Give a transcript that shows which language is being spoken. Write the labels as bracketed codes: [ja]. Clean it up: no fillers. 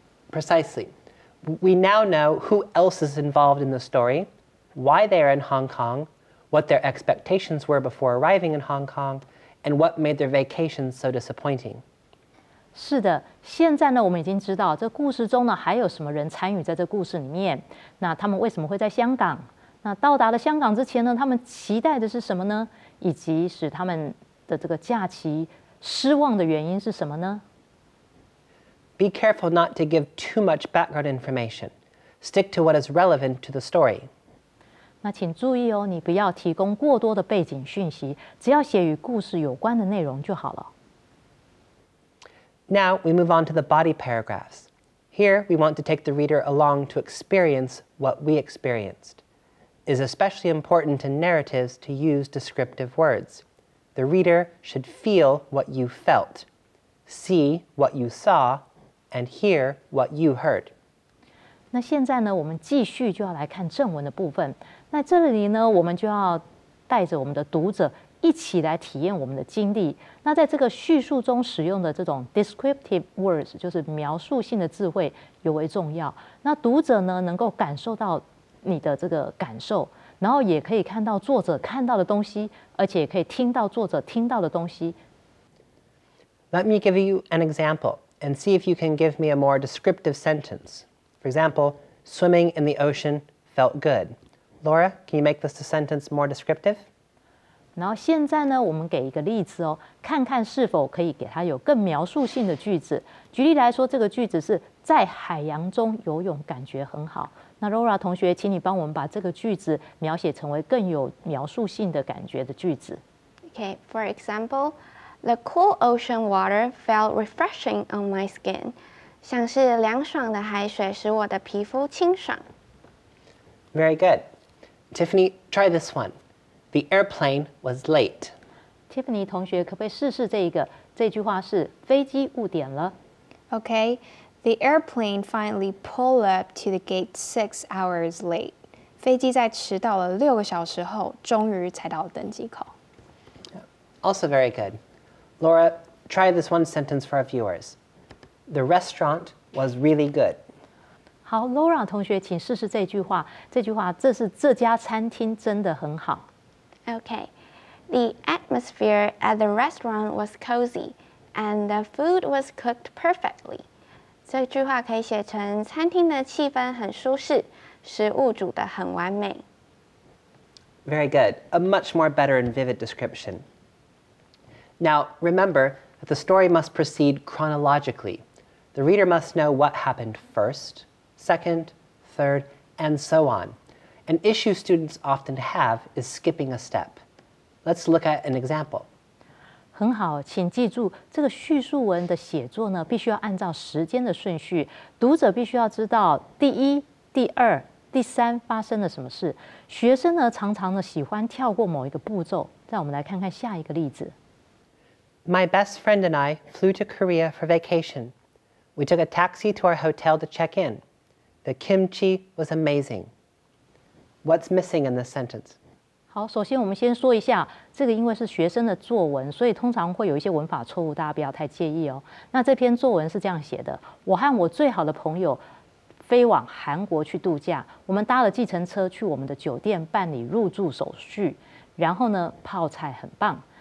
[en] Precisely. We now know who else is involved in the story, why they are in Hong Kong, what their expectations were before arriving in Hong Kong, and what made their vacation so disappointing. [zh] 是的，现在呢，我们已经知道这故事中呢还有什么人参与在这故事里面。那他们为什么会在香港？那到达了香港之前呢，他们期待的是什么呢？以及使他们的这个假期失望的原因是什么呢？ [en] Be careful not to give too much background information. Stick to what is relevant to the story. [zh] 那请注意哦，你不要提供过多的背景讯息，只要写与故事有关的内容就好了。 [en] Now we move on to the body paragraphs. Here we want to take the reader along to experience what we experienced. It is especially important in narratives to use descriptive words. The reader should feel what you felt, see what you saw, and hear what you heard. [zh] 那现在呢，我们继续就要来看正文的部分。那这里呢，我们就要带着我们的读者一起来体验我们的经历。那在这个叙述中使用的这种 [en] descriptive words， [zh] 就是描述性的智慧，尤为重要。那读者呢，能够感受到你的这个感受，然后也可以看到作者看到的东西，而且也可以听到作者听到的东西。 [en] Let me give you an example and see if you can give me a more descriptive sentence. For example, swimming in the ocean felt good. Laura, can you make this a sentence more descriptive? [zh] 然后现在呢，我们给一个例子哦，看看是否可以给它有更描述性的句子。举例来说，这个句子是在海洋中游泳感觉很好。那 Laura 同学，请你帮我们把这个句子描写成为更有描述性的感觉的句子。 [en] Okay, for example, the cool ocean water felt refreshing on my skin. [zh] 像是凉爽的海水使我的皮肤清爽。 [en] Very good. Tiffany, try this one. The airplane was late. [zh] Tiffany 同学，可不可以试试这一个？这句话是飞机误点了。 [en] Okay, the airplane finally pulled up to the gate 6 hours late. [zh] 飞机在迟到了六个小时后，终于才到登机口。 [en] Also very good. Laura, try this one sentence for our viewers. The restaurant was really good. [zh] 好 ，Laura 同学，请试试这句话。这句话，这是这家餐厅真的很好。 [en] Okay, the atmosphere at the restaurant was cozy, and the food was cooked perfectly. [zh] 这句话可以写成餐厅的气氛很舒适，食物煮得很完美。 [en] Very good. A much more better and vivid description. Now, remember that the story must proceed chronologically. The reader must know what happened first, second, third, and so on. An issue students often have is skipping a step. Let's look at an example. [zh] 很好，请记住这个叙述文的写作呢，必须要按照时间的顺序。读者必须要知道第一、第二、第三发生了什么事。学生呢，常常呢喜欢跳过某一个步骤。让我们来看看下一个例子。 [en] My best friend and I flew to Korea for vacation. We took a taxi to our hotel to check in. The kimchi was amazing. What's missing in this sentence? [zh] 好，首先我们先说一下，这个因为是学生的作文，所以通常会有一些文法错误，大家不要太介意哦。那这篇作文是这样写的：我和我最好的朋友飞往韩国去度假，我们搭了计程车去我们的酒店办理入住手续，然后呢，泡菜很棒。